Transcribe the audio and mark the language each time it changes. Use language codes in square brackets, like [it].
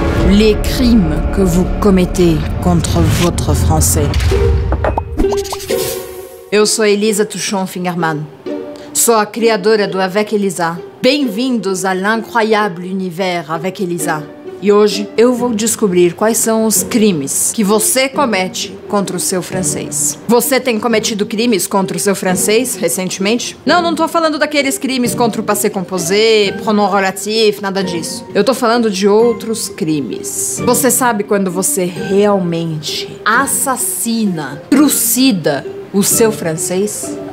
[fr] Les crimes que vous commettez contre votre français. [pt] Eu sou Elisa Touchon Fingerman. Sou a criadora do Avec Elisa. Bem-vindos à [fr] l'incroyable univers [pt] Avec Elisa. E hoje eu vou descobrir quais são os crimes que você comete contra o seu francês. Você tem cometido crimes contra o seu francês recentemente? Não tô falando daqueles crimes contra o passé composé, pronom relatif, nada disso. Eu tô falando de outros crimes. Você sabe quando você realmente assassina, trucida o seu francês?